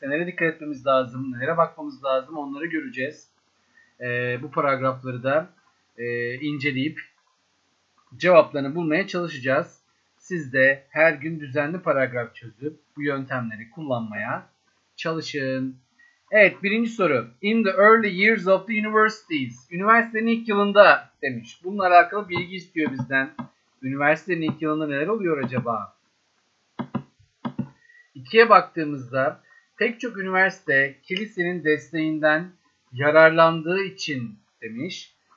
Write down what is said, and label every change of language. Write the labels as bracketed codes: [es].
[tr] Nelere dikkat etmemiz lazım, nelere bakmamız lazım onları göreceğiz. Bu paragrafları da inceleyip cevaplarını bulmaya çalışacağız. Siz de her gün düzenli paragraf çözüp bu yöntemleri kullanmaya çalışın. Evet, birinci soru. [en] In the early years of the universities. [tr] Üniversitenin ilk yılında demiş. Bununla alakalı bilgi istiyor bizden. Üniversitenin ilk yılında neler oluyor acaba? İkiye baktığımızda pek çok üniversite kilisenin desteğinden yararlandığı için demiş.